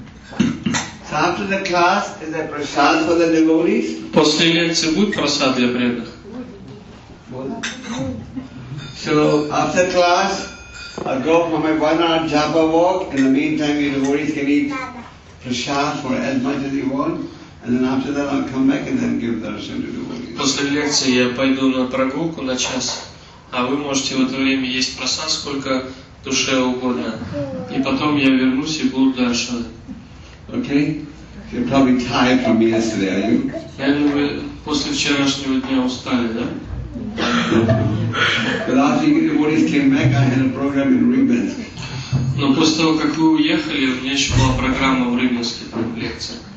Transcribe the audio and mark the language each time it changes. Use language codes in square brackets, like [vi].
[en] So after the class is a prasad for the devotees. [ru] После лекции будет просад для преданных. [en] So after class, I'll go for my 1 hour japa walk. In the meantime, you devotees can eat prasad for as much as you want. And then after that, I'll come back and then give darshan to devotees. [ru] После лекции я пойду на прогулку на час, а вы можете в это время есть просад сколько душе угодно. И потом я вернусь и буду дальше. [en] Okay? You're probably tired from yesterday, are you? [ru] Наверное, вы после вчерашнего дня устали, да? [en] But after you devotees came back, I had a program in Rybinsk. [ru] Но после того, как вы уехали, у меня еще была программа в Рыбинске, там, лекция.